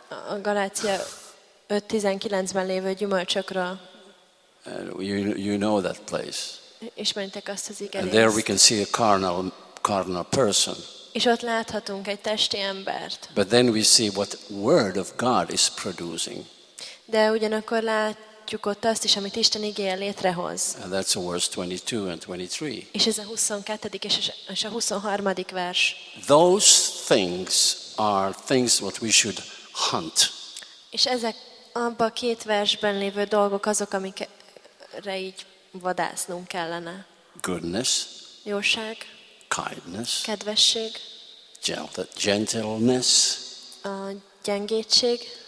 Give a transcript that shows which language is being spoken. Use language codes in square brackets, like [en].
[hu] A Galácia 5:19-ben lévő gyümölcsökről. [en] You know that place. [hu] Ismeritek azt az igerészt. [en] And there we can see a carnal person. [hu] És ott láthatunk egy testi embert. [en] But then we see what word of God is producing. [hu] De ugyanakkor látjuk ott azt is, amit Isten igéje létrehoz. [en] And that's verse 22 and 23. [hu] És ez a 22. és a 23. vers. [en] Those things are things what we should hunt. [hu] És ezek abban a két versben lévő dolgok azok, amikre így vadásznunk kellene. [en] Goodness. [hu] Jóság. [en] Kindness. [hu] Kedvesség. [en] Gentleness. [hu] Gyengétség.